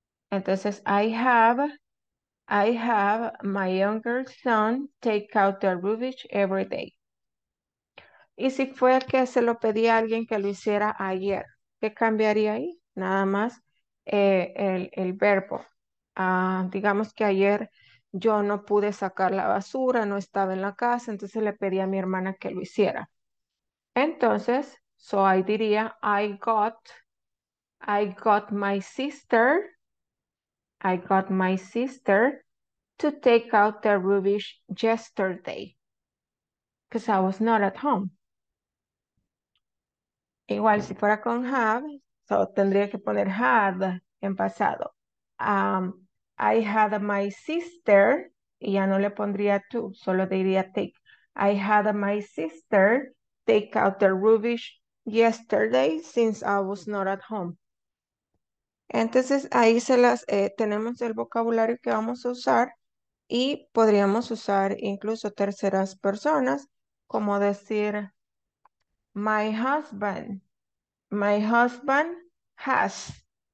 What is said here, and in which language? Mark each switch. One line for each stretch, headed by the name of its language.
Spanish: Entonces,
English: I have my younger son take out the rubbish every day.
Spanish: Y si fue que se lo pedí a alguien que lo hiciera ayer, ¿Qué cambiaría ahí? Nada más el verbo. Digamos que ayer yo no pude sacar la basura, no estaba en la casa, entonces le pedí a mi hermana que lo hiciera.
English: Entonces, so I diría, I got my sister to take out the rubbish yesterday, because I was not at home.
Spanish: Igual, si fuera con have, so tendría que poner had en pasado.
English: I had my sister,
Spanish: y ya no le pondría to, solo diría take.
English: I had my sister take out the rubbish yesterday since I was not at home.
Spanish: Entonces, ahí se las tenemos el vocabulario que vamos a usar y podríamos usar incluso terceras personas, como decir,
English: my husband has.